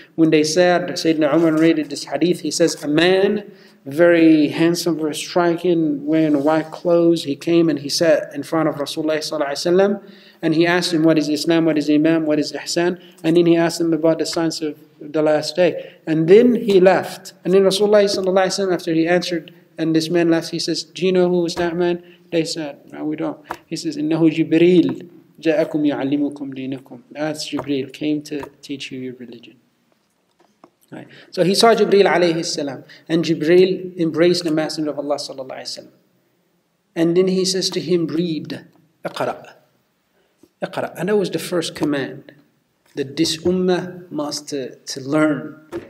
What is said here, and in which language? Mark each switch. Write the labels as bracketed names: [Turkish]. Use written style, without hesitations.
[English] When they said, Sayyidina Umar narrated this hadith, he says, a man, very handsome, very striking, wearing white clothes, he came and he sat in front of Rasulullah sallallahu alayhi wa sallam. And he asked him, what is Islam, what is Imam, what is Ihsan? And then he asked him about the signs of the last day. And then he left. And then Rasulullah sallallahu alayhi wa sallam, after he answered, and this man left, he says, do you know who is that man? They said, no, we don't. [Arabic] He says, إِنَّهُ جِبْرِيلْ جَاءَكُمْ يُعَلِّمُكُمْ دِينَكُمْ. [English] That's Jibreel, came to teach you your religion. Right. So he saw Jibreel alayhi salam, and Jibreel embraced the Messenger of Allah sallallahu alayhi wa sallam. And then he says to him, read, اقرأ. [Arabic] اقرأ. [English] And that was the first command that this ummah must to learn.